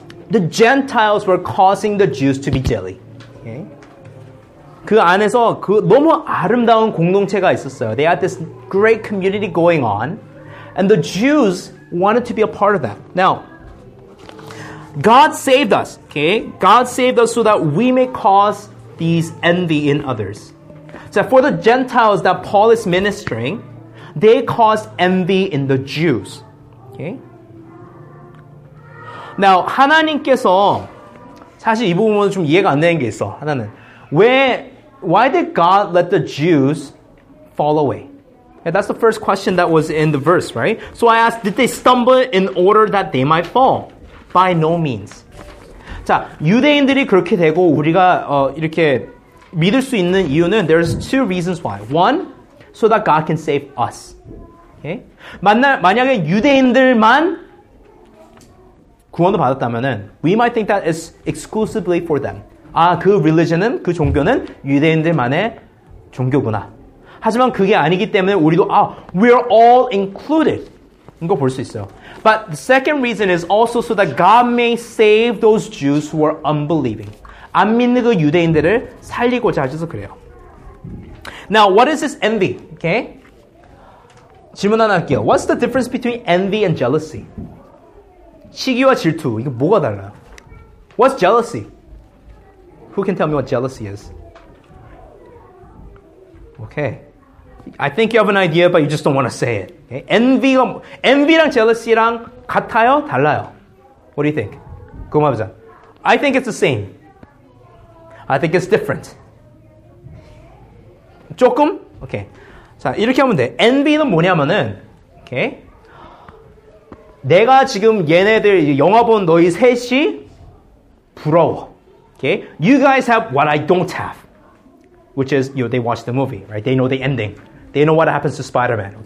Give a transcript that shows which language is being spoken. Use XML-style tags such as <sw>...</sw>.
<en>The Gentiles were causing the Jews to be jelly. Okay?</en> <ko>그 안에서 그 너무 아름다운 공동체가 있었어요.</ko> <en>They had this great community going on, and the Jews wanted to be a part of that. Now, God saved us. Okay? God saved us so that we may cause these envy in others. So for the Gentiles that Paul is ministering, they caused envy in the Jews. Okay?</en> <ko>Now, 하나님께서, 사실 이 부분은 좀 이해가 안 되는 게 있어, 하나는.</ko> <en>Why did God let the Jews fall away? Yeah, that's the first question that was in the verse, right? So I asked, did they stumble in order that they might fall? By no means.</en> <ko>자, 유대인들이 그렇게 되고 우리가 이렇게 믿을 수 있는 이유는</ko> <en>there's two reasons why. One, so that God can save us. Okay?</en> <ko>만약에 유대인들만 구원을 받았다면은</ko> <en>we might think that it's exclusively for them.</en> <ko>아, 그 religion은, 그 종교는 유대인들만의 종교구나. 하지만 그게 아니기 때문에 우리도 아,</ko> <en>we're all included.</en> <ko>이거 볼 수 있어요.</ko> <en>But the second reason is also so that God may save those Jews who are unbelieving.</en> <ko>안 믿는 그 유대인들을 살리고자 하셔서 그래요.</ko> <en>Now, what is this envy? Okay?</en> <ko>질문 하나 할게요.</ko> <en>What's the difference between envy and jealousy?</en> <ko>시기와 질투, 이게 뭐가 달라요?</ko> <en>What's jealousy? Who can tell me what jealousy is? Okay. I think you have an idea, but you just don't want to say it. Okay? Envy랑 jealousy랑</en> <ko>같아요? 달라요?</ko> <en>What do you think?</en> <ko>고맙죠.</ko> <en>I think it's the same. I think it's different.</en> <ko>조금? Okay. 자, 이렇게 하면 돼. Envy는 뭐냐면은, okay? 내가 지금 얘네들, 영화 본 너희 셋이 부러워.</ko> <en>Okay, you guys have what I don't have, which is you know they watch the movie, right? They know the ending, they know what happens to Spider-Man.</en>